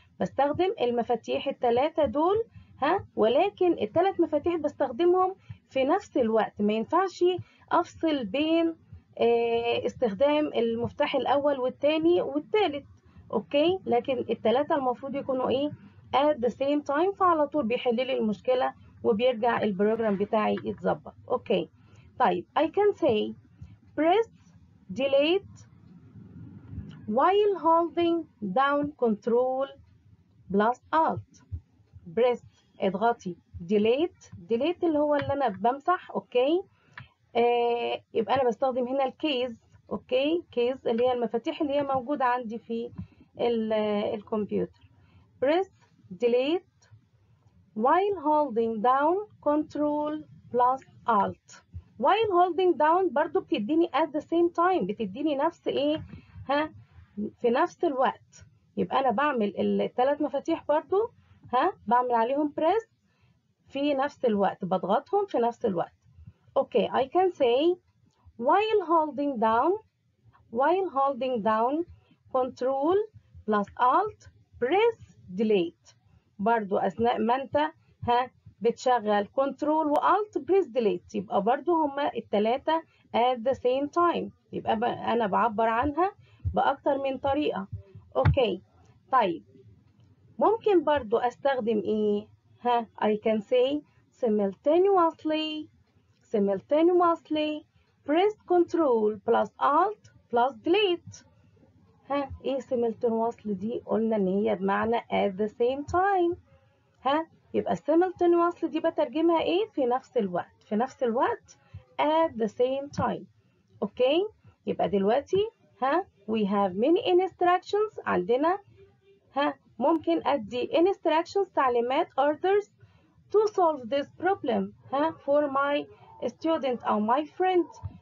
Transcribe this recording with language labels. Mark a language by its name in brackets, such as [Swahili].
[Arabic] بستخدم المفاتيح الثلاثة دول، ها، ولكن الثلاث مفاتيح بستخدمهم في نفس الوقت، ما ينفعش أفصل بين استخدام المفتاح الأول والثاني والثالث، أوكي. لكن الثلاثة المفروض يكونوا إيه [English] at the same time، [Arabic] فعلى طول بيحل لي المشكلة وبيرجع البروجرام بتاعي يتظبط. أوكي طيب، [English] I can say press delete while holding down control plus alt. [Arabic] بريس اضغطي، ديليت، ديليت اللي هو اللي انا بمسح، اوكي. يبقى انا بستخدم هنا الكيز، اوكي، كيز اللي هي المفاتيح اللي هي موجودة عندي في الكمبيوتر. [English] Press delete while holding down control plus alt. while holding down [Arabic] برضو بتديني [English] at the same time، [Arabic] بتديني نفس ايه، ها، في نفس الوقت. يبقى انا بعمل الثلاث مفاتيح برضو، ها، بعمل عليهم بريس في نفس الوقت، بضغطهم في نفس الوقت. [English] Okay, I can say while holding down، while holding down control plus alt press delete. [Arabic] برضو اثناء ما انت، ها، بتشغل control و alt [English] press delete، [Arabic] يبقى برضو هما التلاتة [English] at the same time، [Arabic] يبقى انا بعبر عنها بأكتر من طريقة. اوكي طيب، ممكن برضو استخدم ايه، ها، [English] I can say simultaneously، simultaneously press control plus alt plus delete. [Arabic] ها، ايه simultaneously دي؟ قلنا ان هي بمعنى [English] at the same time، [Arabic] ها. يبقى simultaneously دي بترجمها ايه؟ في نفس الوقت، في نفس الوقت، [English] at the same time. [Arabic] اوكي يبقى دلوقتي، ها، [English] we have many instructions، [Arabic] عندنا، ها، ممكن ادي [English] instructions، [Arabic] تعليمات، [English] orders to solve this problem، ها، for my student او my friend.